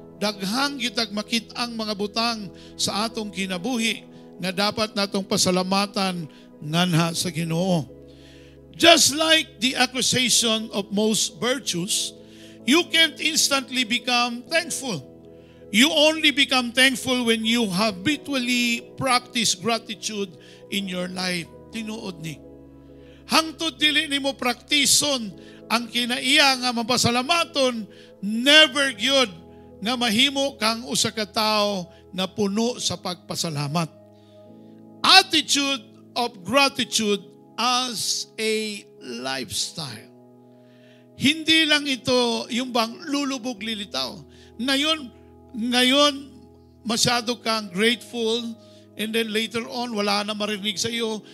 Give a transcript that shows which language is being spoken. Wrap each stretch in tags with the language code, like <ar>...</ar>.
<ceb>Daghang kitag makit-ang mga butang sa atong kinabuhi na dapat natong pasalamatan nganha sa Ginoo.</ceb> <en>Just like the acquisition of most virtues, you can't instantly become thankful. You only become thankful when you habitually practice gratitude in your life.</en> <ceb>Tinuod ni. Hangtod dili nimo praktison ang kinaiya nga mapasalamaton, never good nga mahimo kang usa ka tawo nga puno sa pagpasalamat.</ceb> <en>Attitude of gratitude as a lifestyle.</en> <tl>Hindi lang ito yung bang lulubog lilitaw. Ngayon masyado kang grateful</tl> <en>and then later on</en> <tl>wala na marinig sa iyo.</tl>